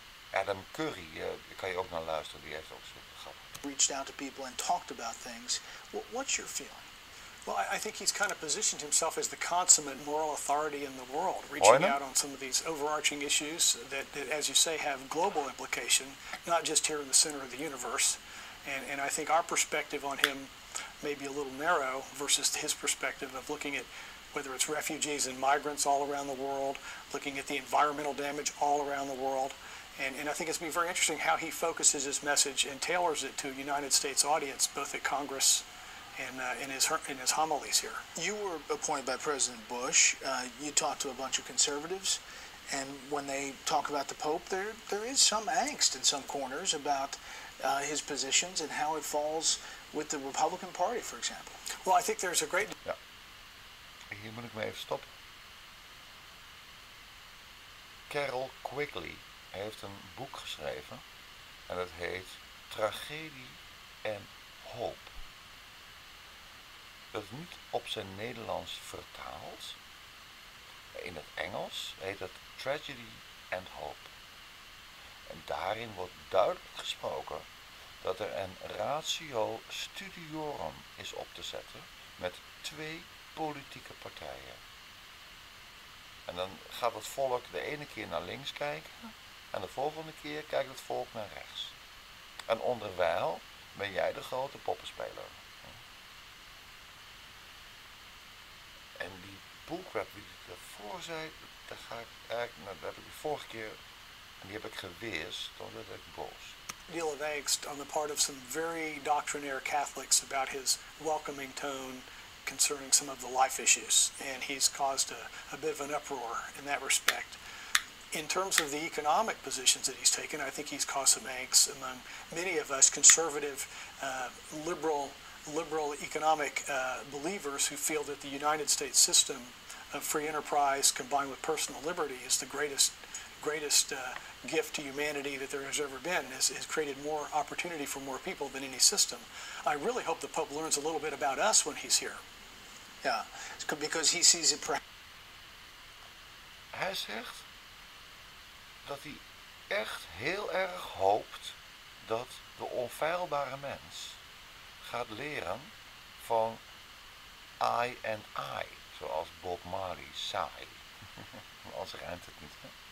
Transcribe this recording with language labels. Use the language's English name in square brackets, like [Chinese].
[Dutch] Adam Curry, kan je ook naar luisteren, die heeft ook zo'n grap. [English] Reached out to people and talked about things. What's your feeling? Well, I think he's kind of positioned himself as the consummate moral authority in the world, reaching out on some of these overarching issues that, as you say, have global implication, not just here in the center of the universe. And I think our perspective on him may be a little narrow versus his perspective of looking at whether it's refugees and migrants all around the world, looking at the environmental damage all around the world. And I think it's been very interesting how he focuses his message and tailors it to a United States audience, both at Congress and in his homilies here. You were appointed by President Bush. You talked to a bunch of conservatives. And when they talk about the Pope, there is some angst in some corners about his positions and how it falls with the Republican Party, for example. Well, I think there's a great... Yeah. [Dutch] Hier moet ik me even stoppen. Carol Quigley heeft een boek geschreven. En dat heet Tragedie en Hoop. Dat is niet op zijn Nederlands vertaald. In het Engels heet het Tragedy and Hope. En daarin wordt duidelijk gesproken dat er een ratio studiorum is op te zetten met twee politieke partijen. En dan gaat het volk de ene keer naar links kijken en de volgende keer kijkt het volk naar rechts. En onderwijl ben jij de grote poppenspeler. En die boekwerp die ik ervoor zei, daar ga ik eigenlijk, nou, dat heb ik de vorige keer, en die heb ik geweest, dan werd ik boos. [English] Deal of angst on the part of some very doctrinaire Catholics about his welcoming tone concerning some of the life issues. And he's caused a bit of an uproar in that respect. In terms of the economic positions that he's taken, I think he's caused some angst among many of us conservative, liberal economic believers who feel that the United States system of free enterprise combined with personal liberty is the greatest gift to humanity that there has ever been, and has created more opportunity for more people than any system. I really hope the Pope learns a little bit about us when he's here. Yeah, because he sees it. [Dutch] Hij zegt dat hij echt heel erg hoopt dat de onfeilbare mens gaat leren van I and I, zoals Bob Marley saai. Anders rijmt het niet. Hè?